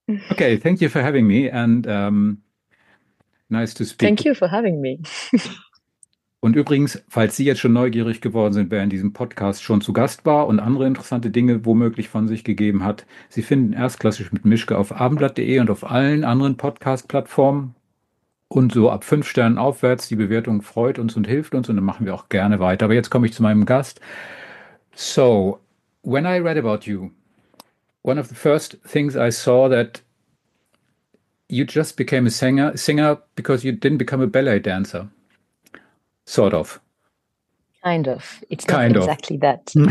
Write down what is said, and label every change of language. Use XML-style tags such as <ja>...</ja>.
<en>Okay, thank you for having me and nice to speak. Thank you for having me.</en> <de>Und übrigens, falls Sie jetzt schon neugierig geworden sind, wer in diesem Podcast schon zu Gast war und andere interessante Dinge womöglich von sich gegeben hat, Sie finden Erstklassisch mit Mischke auf abendblatt.de und auf allen anderen Podcast-Plattformen. Und so ab 5 Sternen aufwärts, die Bewertung freut uns und hilft uns und dann machen wir auch gerne weiter. Aber jetzt komme ich zu meinem Gast.</de> <en>So, when I read about you, one of the first things I saw that you just became a singer because you didn't become a ballet dancer. Sort of. Kind of. It's kind not exactly of. That.</en>